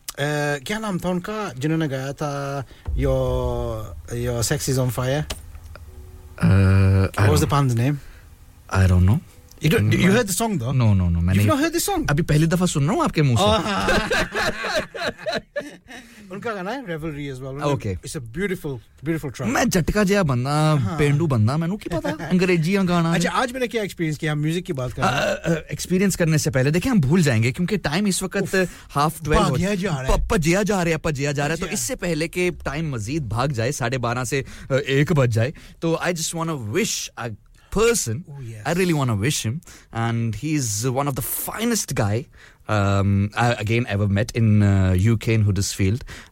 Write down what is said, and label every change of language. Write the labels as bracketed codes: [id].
[hi] क्या नाम था उनका जिन्होंने गाया था [en] your sex is on fire what was the band's name I don't know you heard the song though no you've not heard the song [hi] अभी पहली दफा सुन रहा हूँ आपके मुंह से उनका गाना है revelry as well [en] okay it's a beautiful track [hi] मैं झटका जया बंदा पेंडू बंदा मैंने क्या पता अंग्रेजी का गाना अच्छा आज मैंने क्या experience किया music की बात कर experience करने से पहले देखिए हम भूल जाएंगे क्योंकि time इस वक्त half 12 भाग गया जा रहा है पजिया जा रहा है पजिया जा रहा है तो इससे पहले कि time मज़ीद भाग जाए 12:30 से 1 बज जाए तो [en] I just want to wish a person I really want to wish him and he's one of the finest guy I ever met in UK in Huddersfield